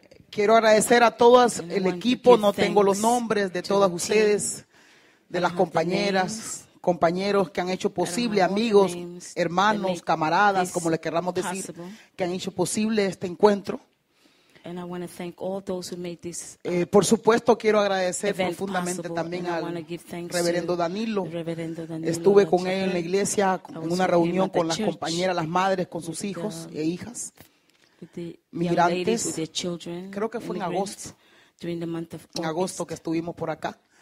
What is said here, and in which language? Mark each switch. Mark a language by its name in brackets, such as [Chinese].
[Spanish] Quiero agradecer a todas el equipo, no tengo los nombres de todas ustedes, de las compañeras, compañeros que han hecho posible, amigos, hermanos, camaradas, como le querramos decir, que han hecho posible este encuentro. [English] And I want to thank all those who made this [Spanish] Por supuesto, quiero agradecer profundamente también al Reverendo Danilo. Estuve con él en la iglesia, en una reunión con las compañeras, las madres, con sus hijos e hijas, migrantes. Creo que fue en agosto. En agosto que estuvimos por acá.